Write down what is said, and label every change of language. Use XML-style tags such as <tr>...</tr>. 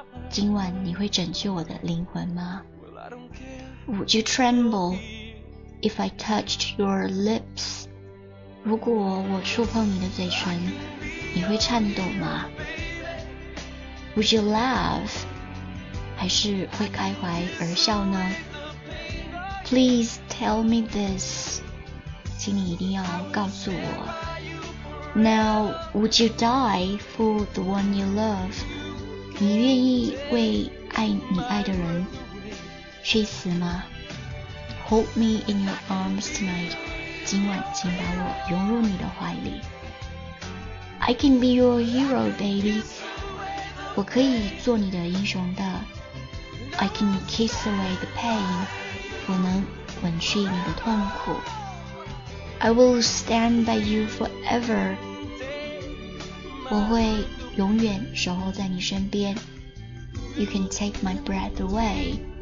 <zh>今晚你会拯救我的灵魂吗</zh> <en>？Would you tremble if I touched your lips?</en> <zh>如果我触碰你的嘴唇，你会颤抖吗 ？</zh> <en>Would you laugh?</en> <zh>还是会开怀而笑呢 ？</zh> <en>Please tell me this.</en> <zh>请你一定要告诉我。</zh> <en>Now, would you die for the one you love?</en> <zh>你愿意为爱你爱的人去死吗 ？</zh> <en>Hold me in your arms tonight.</en> <zh>今晚请把我拥入你的怀里。</zh> <en>I can be your hero, baby.</en> <zh>我可以做你的英雄的。</zh> <en>I can kiss away the pain.</en> <zh>我能吻去你的痛苦。</zh> <en>I will stand by you forever.</en> <zh>我会永远守候在你身边。</zh> <en>You can take my breath away.</en>